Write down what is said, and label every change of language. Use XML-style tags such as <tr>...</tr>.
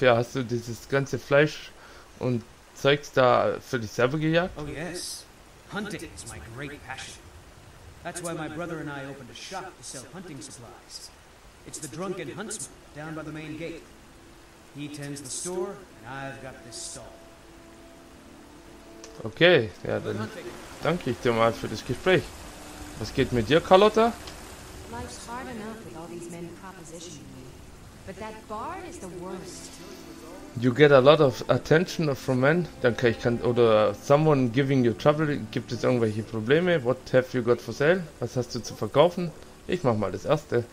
<de>Ja, hast du dieses ganze Fleisch und Zeugs da für dich selber gejagt?</de> <en>Oh yes. Hunting is my great passion. That's why my brother and I opened a shop to sell hunting supplies. It's the drunken huntsman down by the main gate. He tends the store, and I've got this stall.</en> <de>Okay, ja, dann danke ich dir mal für das Gespräch. Was geht mit dir, Carlotta?</de> <en>Life's hard enough with all these men propositioning me, but that bard is the worst. You get a lot of attention from men.</en> <de>Danke, ich kann, oder</de> <en>someone giving you trouble.</en> <de>Gibt es irgendwelche Probleme?</de> <en>What have you got for sale?</en> <de>Was hast du zu verkaufen? Ich mach mal das Erste.</de>